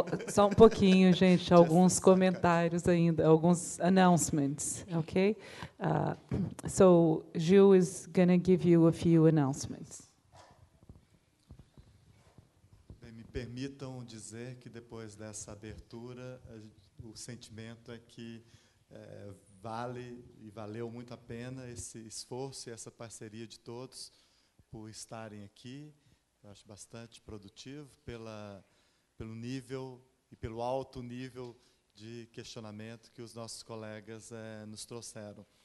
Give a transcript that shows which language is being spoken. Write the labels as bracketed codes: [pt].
[pt] Só um pouquinho, gente, alguns comentários ainda, alguns announcements, okay? [en] So, Gil is going to give you a few announcements. [pt] Permitam dizer que, depois dessa abertura, o sentimento é que vale e valeu muito a pena esse esforço e essa parceria de todos por estarem aqui. Eu acho bastante produtivo pelo nível e pelo alto nível de questionamento que os nossos colegas nos trouxeram.